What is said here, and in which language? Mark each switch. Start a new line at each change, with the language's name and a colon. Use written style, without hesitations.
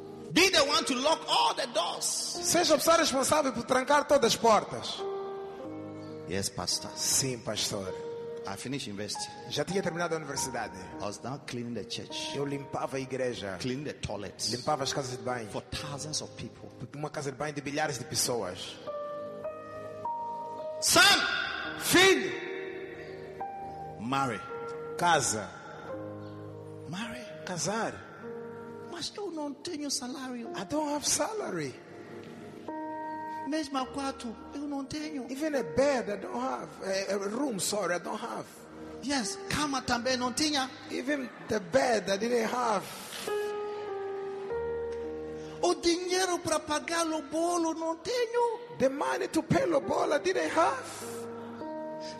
English: Be the one to lock all the doors.
Portuguese: Seja a pessoa responsável por trancar todas as portas.
English: Yes, pastor.
Portuguese: Sim, pastor.
English: I finished university.
Portuguese: Já tinha terminado a universidade.
English: I was now cleaning the church.
Portuguese: Eu limpava a igreja.
English: Clean the toilets.
Portuguese: Limpava as casas de banho.
English: For thousands of people.
Portuguese: Uma casa de banho de milhares de pessoas.
English: Son,
Portuguese: filho,
English: marry.
Portuguese: Casa.
English: Marry.
Portuguese: Casar. Mas eu não tenho salário.
English: I don't have salary.
Portuguese: Mesmo quarto, eu não tenho.
English: Even a bed, I don't have. A room, I don't have.
Portuguese: Yes, cama também não tinha.
English: Even the bed, I didn't have.
Portuguese: O dinheiro para pagar o bolo, não tenho.
English: The money to pay the bill, I didn't have.